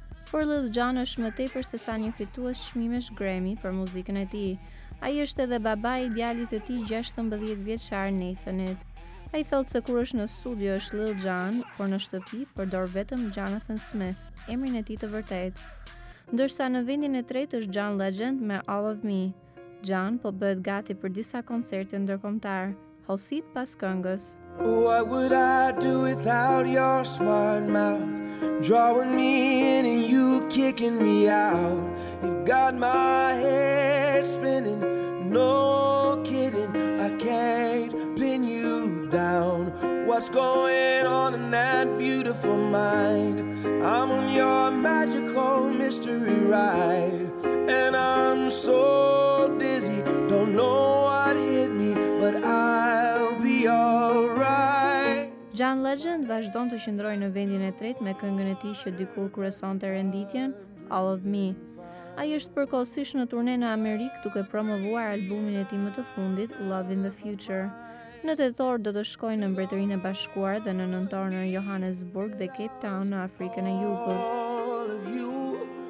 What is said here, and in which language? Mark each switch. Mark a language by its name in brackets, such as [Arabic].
[Albanian] Por Lil Jon është më tepër se sa një fitues çmimesh Grammy për muzikën e tij. Ai është edhe baba i djalit të tij 16 vjeçar Nathanit. A i thot se kur është në studio është Lil Jon, por në shtëpi përdor vetëm Jonathan Smith, emrin e tij të vërtetë. Ndërsa në vendin e tretë është John Legend me All of Me. John po bëhet gati për disa koncerte ndërkombëtar. Hollësit pas këngës. [English] What would I do without your smart mouth? Drawing me in and you kicking me out. You've got my head spinning, no kidding. I can't pin you down. What's going on in that beautiful mind? I'm on your magical mystery ride. And I'm so dizzy, don't know what hit me, but I'll be alright. [Albanian] John Legend vazhdon të qëndrojë në vendin e tretë me këngën e tij që dikur kryesonte renditjen All of Me. Ai është përkohësisht në turne në Amerikë duke promovuar albumin e tij më të fundit Love in the Future. Në tetor do të shkojë në Mbretërinë e Bashkuar dhe në nëntor në Johannesburg dhe Cape Town në Afrikën e Jugut.